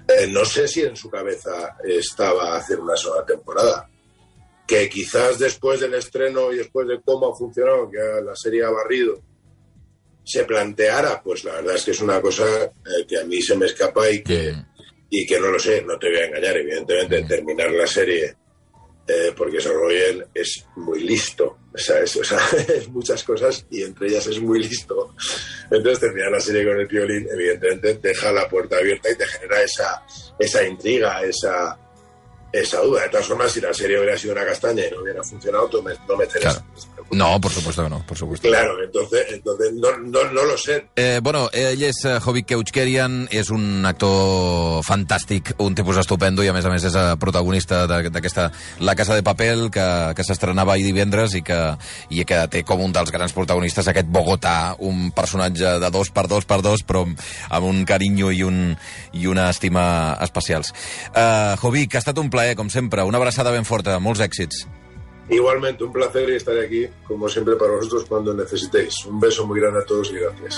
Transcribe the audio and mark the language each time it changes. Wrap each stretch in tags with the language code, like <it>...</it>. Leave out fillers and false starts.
<es>No sé si en su cabeza estaba hacer una sola temporada, que quizás después del estreno y después de cómo ha funcionado, que la serie ha barrido, se planteara, pues la verdad es que es una cosa que a mí se me escapa y que no lo sé, no te voy a engañar, evidentemente, terminar la serie, porque Sorogoyen es muy listo, o sea, es muchas cosas y entre ellas es muy listo. Entonces terminar la serie con el Piolín, evidentemente, deja la puerta abierta y te genera esa intriga, esa duda. De todas formas, si la serie hubiera sido una castaña y no hubiera funcionado, tú no me tenés. Claro. No, por supuesto que no, por supuesto. Claro, entonces no lo sé.</es> <ca>Bueno, ell és Jovic Euskerian, és un actor fantàstic, un tipus estupendo, i a més és el protagonista d'aquesta La Casa de Papel, que s'estrenava ahir divendres i que té com un dels grans protagonistes aquest Bogotà, un personatge de 2x2x2, però amb un carinyo i una estima especials. Jovic, ha estat un plaer, com sempre, una abraçada ben forta, molts èxits.</ca> <es>Igualmente, un placer estar aquí, como siempre, para vosotros cuando necesitéis. Un beso muy grande a todos y gracias.</es>